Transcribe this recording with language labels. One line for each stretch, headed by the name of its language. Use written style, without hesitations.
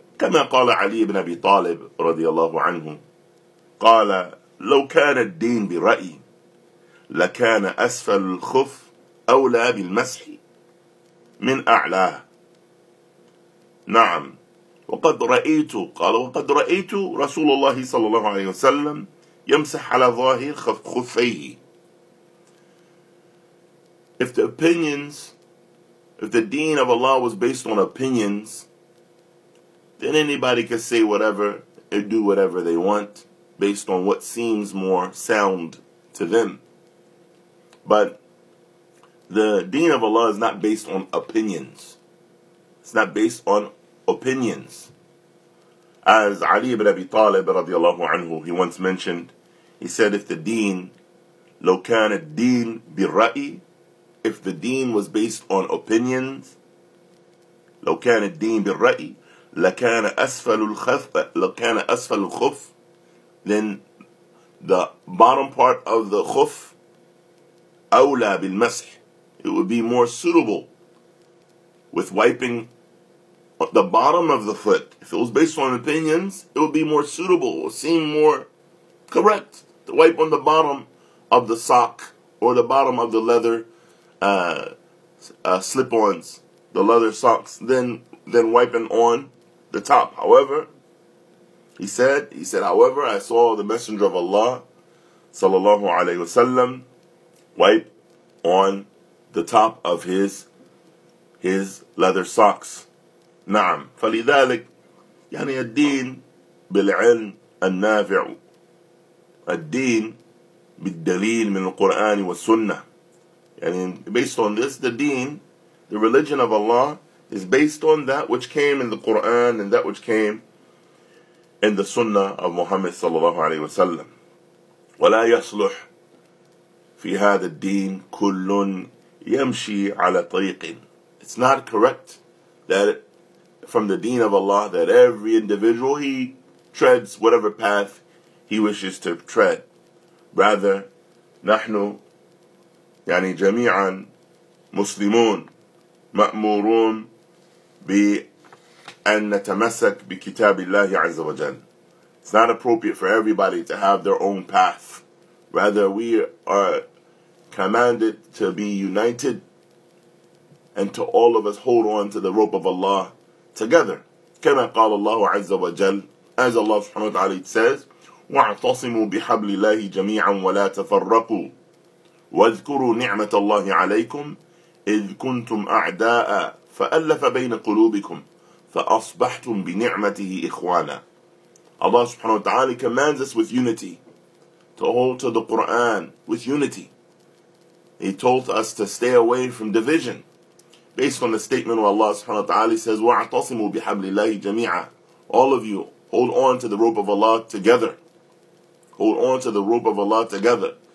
Arabic: كما قال علي بن أبي طالب رضي الله عنه قال لو كان الدين برأي لكان أسفل الخف أولى بالمسح من أعلاه. نعم. وقد رأيت, قال وقد رأيت رسول الله صلى الله عليه وسلم يمسح على ظاهر خفيه.
English: If the opinions, if the deen of Allah was based on opinions, then anybody can say whatever and do whatever they want based on what seems more sound to them. But the deen of Allah is not based on opinions. It's not based on opinions. As Ali ibn Abi Talib radiallahu anhu, he once mentioned, he said, if the deen
Arabic: لو كان الدين بالرأي,
English: if the deen was based on opinions,
Arabic: لو كان الدين بالرأي لكان أسفل الخف, لكان أسفل الخف,
English: then the bottom part of the
Arabic: خف أولى بالمسح.
English: It would be more suitable with wiping the bottom of the foot. If it was based on opinions, it would be more suitable, it would seem more correct to wipe on the bottom of the sock or the bottom of the leather slip-ons, the leather socks, then wiping on the top. However, he said, I saw the Messenger of Allah, sallallahu alayhi wasallam, wipe on the top of his leather socks.
Arabic: نعم. فلذلك يعني الدين بالعلم النافع, الدين بالدليل من القرآن والسنة.
English: يعني based on this, the deen, the religion of Allah, is based on that which came in the Quran and that which came in the Sunnah of Muhammad صلى الله عليه وسلم.
Arabic: ولا يصلح في هذا الدين كل يمشي على طريق.
English: It's not correct that from the deen of Allah that every individual he treads whatever path he wishes to tread. Rather,
Arabic: نحن يعني جميعا مسلمون مأمورون بأن نتمسك بكتاب الله عز وجل.
English: It's not appropriate for everybody to have their own path. Rather, we are commanded to be united and to all of us hold on to the rope of Allah together.
Arabic: كما قال الله عز وجل,
English: as Allah subhanahu wa ta'ala says,
Arabic: وَاعْتَصِمُوا بِحَبْلِ اللَّهِ جَمِيعًا وَلَا تَفَرَّقُوا وَاذْكُرُوا نِعْمَةَ اللَّهِ عَلَيْكُمْ إِذْ كُنْتُمْ أَعْدَاءً فَأَلَّفَ بَيْنَ قُلُوبِكُمْ فَأَصْبَحْتُمْ بِنِعْمَتِهِ إِخْوَانًا.
English: Allah subhanahu wa ta'ala commands us with unity to hold to the Quran with unity. He told us to stay away from division based on the statement where Allah subhanahu wa ta'ala says,
Arabic: وَاعْتَصِمُوا بِحَبْلِ اللَّهِ جَمِيعًا.
English: All of you, hold on to the rope of Allah together. Hold on to the rope of Allah together.